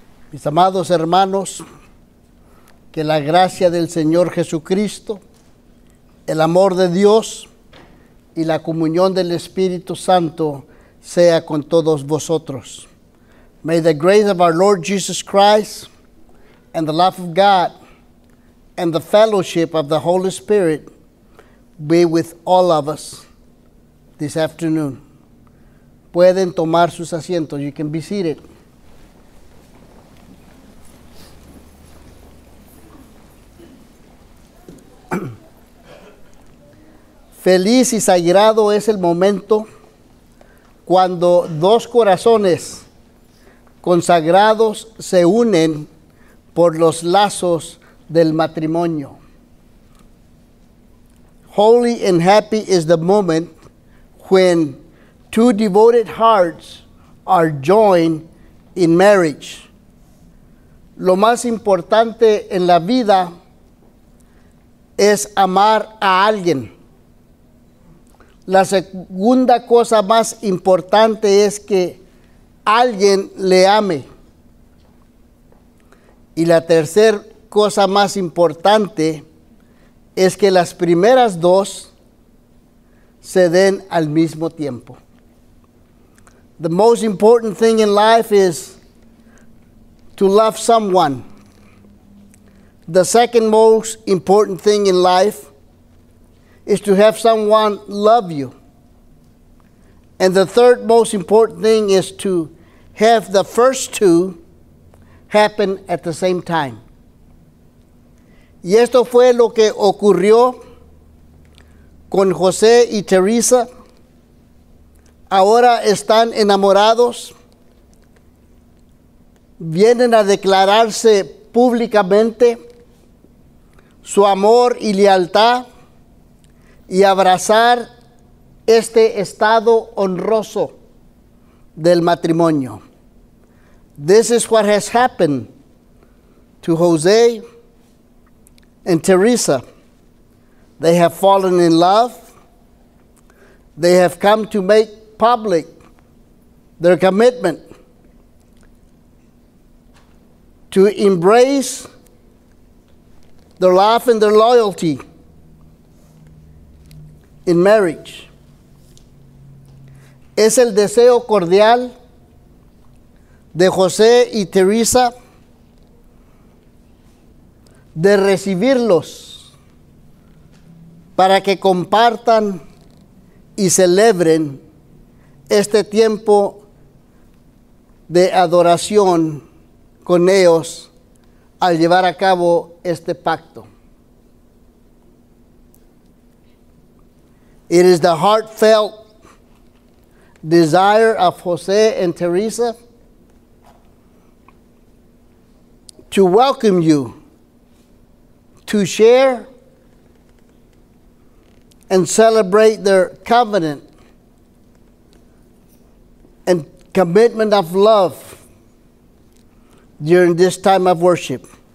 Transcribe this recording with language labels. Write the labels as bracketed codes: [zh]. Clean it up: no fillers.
[es] Mis amados hermanos, que la gracia del Señor Jesucristo, el amor de Dios y la comunión del Espíritu Santo sea con todos vosotros. [en] May the grace of our Lord Jesus Christ and the love of God and the fellowship of the Holy Spirit be with all of us this afternoon. [es] Pueden tomar sus asientos. You can be seated. Feliz y sagrado es el momento cuando dos corazones consagrados se unen por los lazos del matrimonio. [en] Holy and happy is the moment when two devoted hearts are joined in marriage. [es] Lo más importante en la vida es amar a alguien. La segunda cosa más importante es que alguien le ame. Y la tercera cosa más importante es que las primeras dos se den al mismo tiempo. [en] The most important thing in life is to love someone. The second most important thing in life is to have someone love you. And the third most important thing is to have the first two happen at the same time. [es] Y esto fue lo que ocurrió con José y Teresa. Ahora están enamorados. Vienen a declararse públicamente su amor y lealtad y abrazar este estado honroso del matrimonio. [en] This is what has happened to Jose and Teresa. They have fallen in love. They have come to make public their commitment to embrace their love and their loyalty in marriage. [es] Es el deseo cordial de José y Teresa de recibirlos para que compartan y celebren este tiempo de adoración con ellos al llevar a cabo este pacto. [en] It is the heartfelt desire of José and Teresa to welcome you, to share and celebrate their covenant and commitment of love during this time of worship.